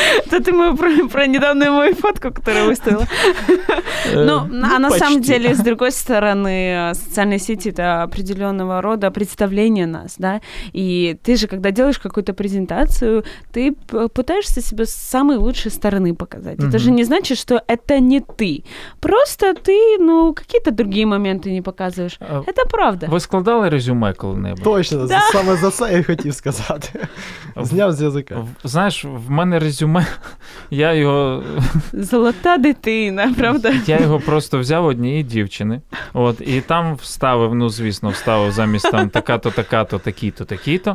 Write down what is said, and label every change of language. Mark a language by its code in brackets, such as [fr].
[uk] Та ти про недавню мою фотку, яку виставила. [ru] Ну, а на самом деле, з другой стороны, соціальні сети — це определенного рода представлення нас, да? І ти же, когда делаешь какую-то презентацію, ты пытаешься себе с самой лучшей стороны показать. Mm-hmm. Это же не значит, что это не ты. Просто ты, ну, какие-то другие моменты не показываешь. Это правда. [uk] Вы складали резюме коли-небудь? Точно, да. Саме за це я хотів сказати. Зняв з язика. Знаєш, в мене резюме, я його... Золота дитина, правда? Я його просто взяв однієї дівчини, от, і там вставив, ну, звісно, вставив замість там така-то, така-то, такі-то, такі-то.